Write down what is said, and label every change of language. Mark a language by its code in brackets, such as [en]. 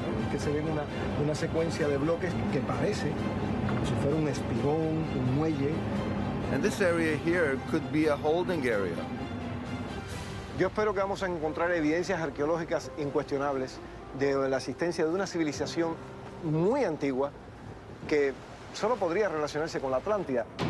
[es] Que se ve una secuencia de bloques que parece como si fuera un espigón, un muelle. [en] And this area here could be a holding area. [es] Yo espero que vamos a encontrar evidencias arqueológicas incuestionables de la existencia de una civilización muy antigua que solo podría relacionarse con la Atlántida.